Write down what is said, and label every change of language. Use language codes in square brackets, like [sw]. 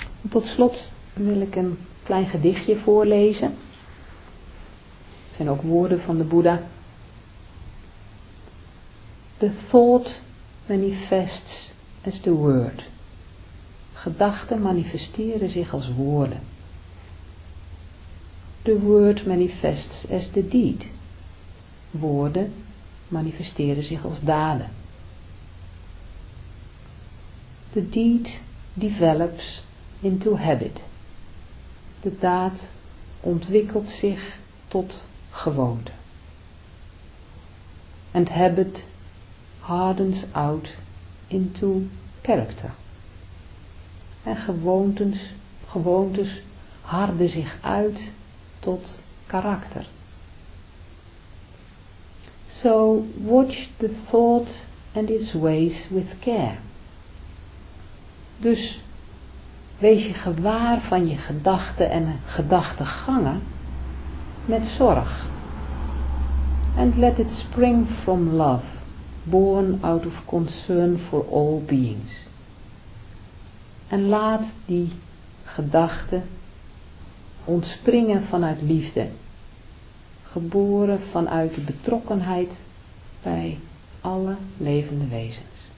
[nl] Tot slot wil ik een klein gedichtje voorlezen. Het zijn ook woorden van de Boeddha. [en] The thought manifests as the word. [nl] Gedachten manifesteren zich als woorden. [en] The word manifests as the deed. [nl] Woorden manifesteren zich als daden. [en] the deed develops into habit. [nl] De daad ontwikkelt zich tot gewoonte. [en] And habit hardens out into character. [nl] En gewoontes harden zich uit tot karakter. [en] So watch the thought and its ways with care. [nl] Dus wees je gewaar van je gedachten en gedachtegangen met zorg. [en] And let it spring from love, born out of concern for all beings. [nl] En laat die gedachten ontspringen vanuit liefde, geboren vanuit de betrokkenheid bij alle levende wezens.